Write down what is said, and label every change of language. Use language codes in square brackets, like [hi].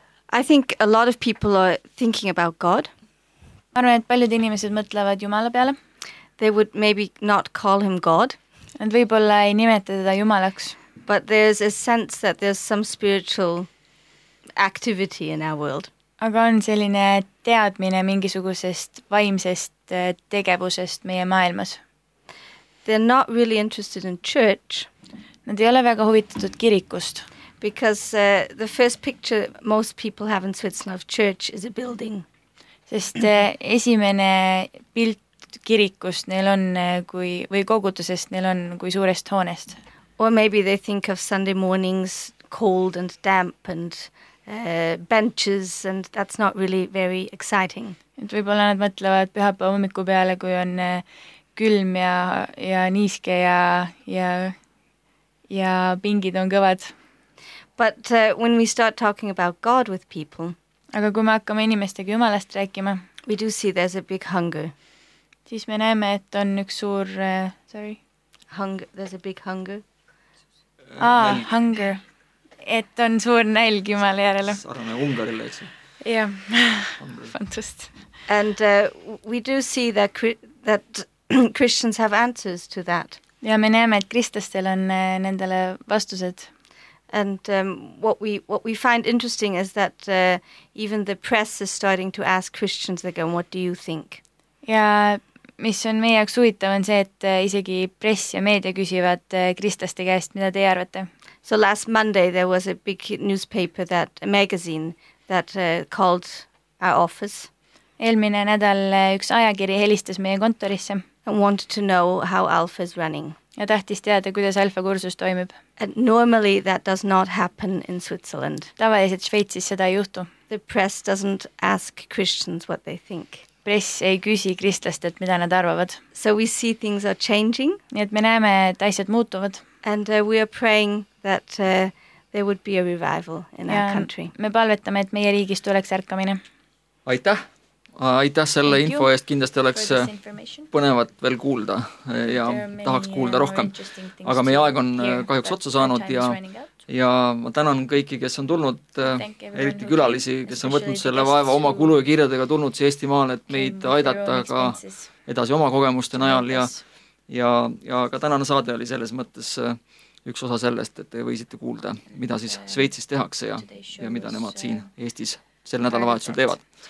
[en] I think a lot of people are thinking about God. [et] Ma arvan, et paljud inimesed mõtlevad Jumala peale. [en] They would maybe not call him God. [et] And võib-olla ei nimeta teda Jumalaks. [en] But there's a sense that there's some spiritual activity in our world. [et] Aga on selline teadmine mingisugusest vaimsest tegevusest meie maailmas. [en] They're not really interested in church. [et] Nad ei ole väga huvitatud kirikust. [en] Because the first picture most people have in Switzerland of church is a building. [et] Sest esimene pilt kirikust neil on kui, või kogutusest neil on kui suurest hoonest. [en] Or maybe they think of Sunday mornings cold and damp and benches and that's not really very exciting. [et] Et võib-olla nad mõtlevad pühapäeva hommiku peale, kui on külm ja niiske ja pingid on kõvad. [en] But when we start talking about God with people, [et] aga kui me hakkame inimestega Jumalast rääkima, [en] we do see there's a big hunger. [et] Siis me näeme, et on üks suur, sorry. [en] Hunger, there's a big hunger. Hunger. [et] Et on suur nälg Jumala järele. Sarane Ungarile, eks? Jah, fantust. [en] And we do see that Christians have answers to that. [et] Ja me näeme, et kristlastel on nendele vastused. [en] And what we find interesting is that even the press is starting to ask Christians again, what do you think? [et] Ja mis on meie jaoks huvitav on see, et isegi press ja meedia küsivad kristlaste käest, mida te arvate. [en] So last Monday there was a big newspaper that a magazine that called our office. [et] Eelmine nädal üks ajakiri helistas meie kontorisse. [en] And wanted to know how Alpha is running. [et] Ja tahtis teada, kuidas Alpha kursus toimib. [en] And normally that does not happen in Switzerland. [et] Tavaliselt Sveitsis seda ei juhtu. [en] The press doesn't ask Christians what they think. [et] Press ei küsi kristlastelt, mida nad arvavad. [en] So we see things are changing. [et] Nii et me näeme, et asjad muutuvad. [en] And we are praying that there would be a revival in [et] ja [en] our country. [et] Me palvetame, et meie riigis tuleks ärkamine. Aitäh! Aitäh selle info eest, kindlasti oleks põnevat veel kuulda ja tahaks kuulda rohkem. Aga meie aeg on kahjuks otsa saanud ja ma tänan kõiki, kes on tulnud, eriti külalisi, kes on võtnud selle vaeva oma kulu ja kirjadega tulnud siia Eesti maal, et meid aidata ka edasi oma kogemuste najal ja ka tänane saade oli selles mõttes üks osa sellest, et te võisite kuulda, mida siis Sveitsis tehakse ja mida nemad siin Eestis sel nädalavahetusel teevad.